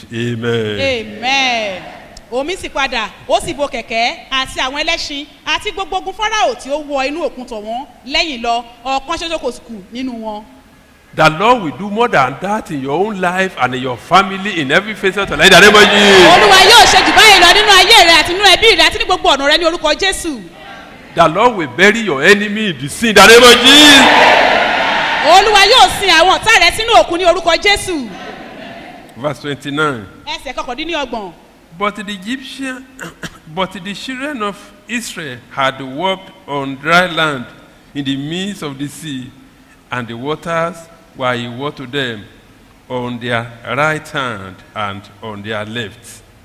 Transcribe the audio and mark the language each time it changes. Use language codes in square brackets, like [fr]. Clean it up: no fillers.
[en] Amen. [yo] Amen. Omi sì padà, ó sì bo kẹ̀kẹ́ àti àwọn ẹlẹ́ṣin àti gbogbo ogun Fáráò tí ó wọ inú òkun tọ̀ wọ́n lẹ́yìn lọ, ọ̀kan ṣoṣo kò sì kù nínú wọn. [en] The Lord will do more than that in your own life and in your family in every phase of your life. Amen. [yo] Olúwa yóò ṣe jù báyìí lọ nínú ayé rẹ àti nínú ẹbí rẹ àti ní gbogbo ọ̀nà rẹ ní orúkọ Jésù. [en] The Lord will bury your enemy in the sea. Amen. [yo] Olúwa yóò sin àwọn ọ̀tá rẹ sínú òkun ní orúkọ Jésù. [en] Verse 29. [yo] Ese kokodini ogbon. [en] But the children of Israel had walked on dry land in the midst of the sea, and the waters were a water to them on their right hand and on their left.